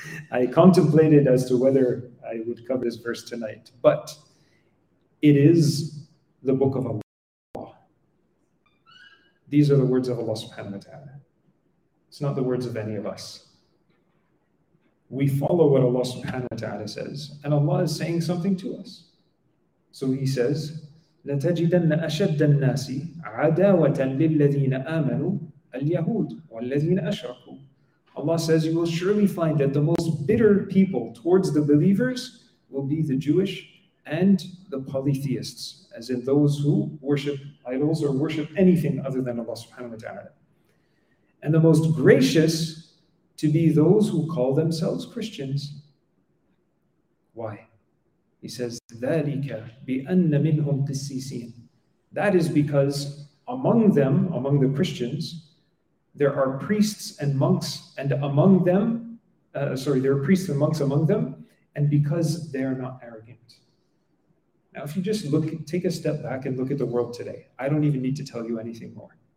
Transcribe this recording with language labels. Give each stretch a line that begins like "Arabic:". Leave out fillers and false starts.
English: I contemplated as to whether I would cover this verse tonight, but it is the book of Allah. These are the words of Allah subhanahu wa ta'ala. It's not the words of any of us. We follow what Allah subhanahu wa ta'ala says, and Allah is saying something to us. So he says,
Arabic: لَتَجِدَنَّ أَشَدَّ النَّاسِ عَدَاوَةً لِلَّذِينَ آمَنُوا الْيَهُودِ وَالَّذِينَ أَشْرَكُوا.
English: Allah says, you will surely find that the most bitter people towards the believers will be the Jewish and the polytheists, as in those who worship idols or worship anything other than Allah subhanahu wa ta'ala. And the most gracious to be those who call themselves Christians. Why? He says,
Arabic: ذَلِكَ بِأَنَّ مِنْهُمْ قِسِّيسِينَ.
English: That is because among them, among the Christians, there are priests and monks, and among them, there are priests and monks among them, and because they are not arrogant. Now, if you just look, take a step back and look at the world today. I don't even need to tell you anything more.